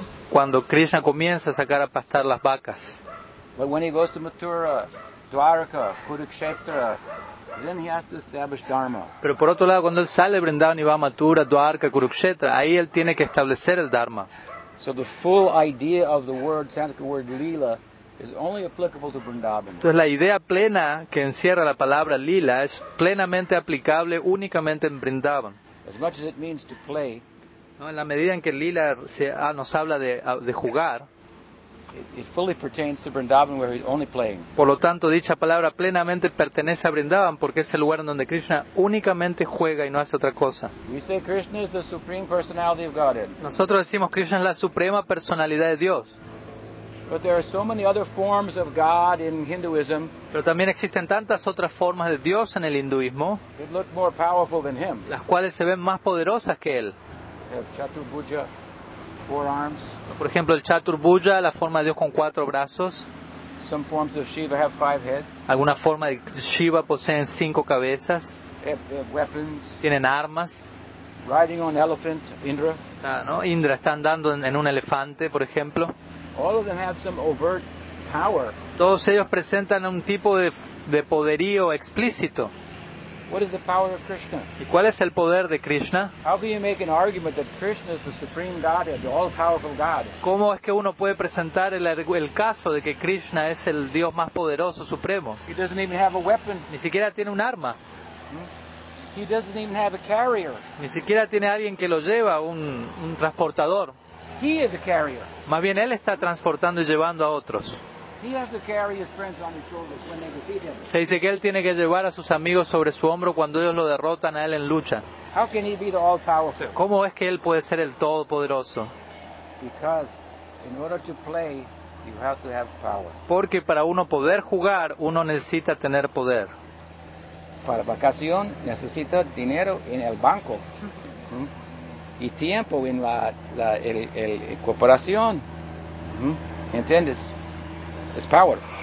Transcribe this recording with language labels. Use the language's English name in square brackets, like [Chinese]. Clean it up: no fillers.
[Spanish] Cuando Krishna comienza a sacar a pastar las vacas. [English] But when he goes to Mathura, Dwarka, Kurukshetra, then he has to establish dharma. [Spanish] Pero por otro lado, cuando él sale Vrindavan y va a Mathura, Dwarka, Kurukshetra, ahí él tiene que establecer el dharma. [English] So the full idea of the word, Sanskrit word lila, is only applicable to Vrindavan. [Spanish] Entonces la idea plena que encierra la palabra lila es plenamente aplicable únicamente en Vrindavan. [English] As much as it means to play, [Spanish] no, en la medida en que lila nos habla de jugar. [English] It fully pertains to Vrindavan, where he's only playing. [Spanish] Por lo tanto, dicha palabra plenamente pertenece a Vrindavan, porque es el lugar en donde Krishna únicamente juega y no hace otra cosa. [English] We say Krishna is the supreme personality of Godhead. [Spanish] Nosotros decimos Krishna es la suprema personalidad de Dios. [English] But there are so many other forms of God in Hinduism. [Spanish] Pero también existen tantas otras formas de Dios en el hinduismo. [English] That look more powerful than him. [Spanish] Las cuales se ven más poderosas que él. [English] Chaturbhuja. Four arms. [Spanish] Por ejemplo, el Chaturbhuja, la forma de Dios con cuatro brazos. [English] Some forms of Shiva have five heads. [Spanish] Alguna forma de Shiva poseen cinco cabezas. [English] They have weapons. [Spanish] Tienen armas. [English] Riding on elephant, Indra. [Spanish] ¿No? Indra está andando en un elefante, por ejemplo. [English] All of them have some overt power. [Spanish] Todos ellos presentan un tipo de poderío explícito. [English] What is the power of Krishna? [Spanish] ¿Y cuál es el poder de Krishna? [English] How can you make an argument that Krishna is the supreme Godhead, the all-powerful God? [Spanish] ¿Cómo es que uno puede presentar el caso de que Krishna es el Dios más poderoso supremo? [English] He doesn't even have a weapon. [Spanish] Ni siquiera tiene un arma. [English] He doesn't even have a carrier. [Spanish] Ni siquiera tiene alguien que lo lleva, un transportador. [English] He is a carrier. [Spanish] Más bien él está transportando y llevando a otros. [English] He has to carry his friends on his shoulders when they defeat him. [Spanish] Se dice que él tiene que llevar a sus amigos sobre su hombro cuando ellos lo derrotan a él en lucha. [English] How can he be the all-powerful? [Spanish] ¿Cómo es que él puede ser el todopoderoso? [English] Because in order to play, you have to have power. [Spanish] Porque para uno poder jugar, uno necesita tener poder. Para vacación necesita dinero en el banco. Y tiempo en la corporación. ¿Entiendes? [English] It's power.